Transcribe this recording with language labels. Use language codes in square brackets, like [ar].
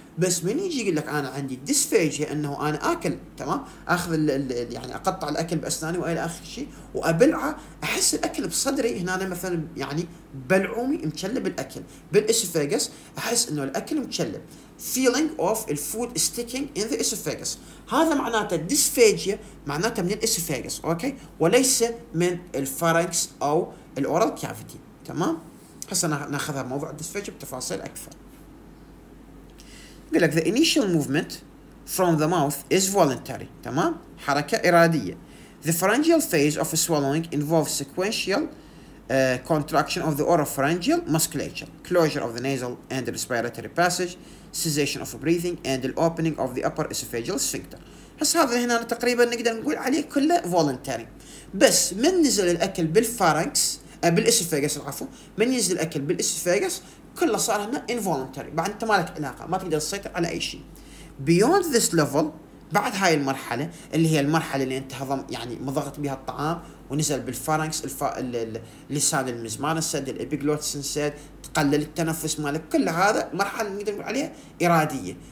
[ar] بس من يجي يقول لك انا عندي ديسفاجيا انه انا اكل تمام اخذ الـ يعني اقطع الاكل باسناني والى اخر شيء وابلعه، احس الاكل بصدري هنا أنا مثلا يعني بلعومي مكلب الاكل بالاسفاجس، احس انه الاكل مكلب [en] feeling of the food sticking in the esophagus. [ar] هذا معناته dysphagia معناته من الاسفاجس اوكي، وليس من الفارنكس او الاورال كافيتي تمام. هسه ناخذها موضوع الدسفاجيا بتفاصيل اكثر. يقول لك [en] the initial movement from the mouth is voluntary، [ar] تمام؟ حركة إرادية. [en] The pharyngeal phase of swallowing involves sequential contraction of the oropharyngeal musculature, closure of the nasal and respiratory passage, cessation of breathing and the opening of the upper esophageal sphincter. [ar] هسه هذا هنا تقريبا نقدر نقول عليه كله voluntary. بس من نزل الأكل بالفارنكس بالإسفاجس العفو، من ينزل الأكل بالإسفاجس كله صار هنا involuntary، بعد انت مالك علاقه ما تقدر تسيطر على اي شيء. [en] beyond this level [ar] بعد هاي المرحله اللي هي المرحله اللي انت هضم يعني مضغت بها الطعام ونزل بالفارنكس اللسان المزمار انسد الابيجلوتس انسد تقلل التنفس مالك، كل هذا مرحله نقدر نقول عليها اراديه.